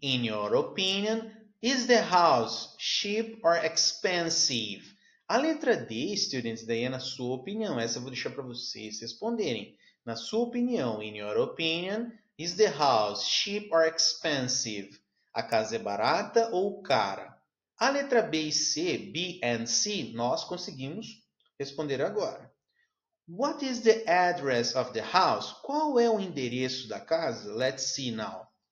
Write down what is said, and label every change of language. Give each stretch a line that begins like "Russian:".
English: In your opinion, is the house cheap or expensive?
Portuguese: A letra D, students, daí é na sua opinião. Essa eu vou deixar para vocês responderem. Na sua opinião,
English: in your opinion, is the house cheap or expensive?
Portuguese: A casa é barata ou cara? A letra B e C,
English: B and C,
Portuguese: nós conseguimos responder agora.
English: What is the address of the house?
Portuguese: Qual é o endereço da casa?
English: Let's see now.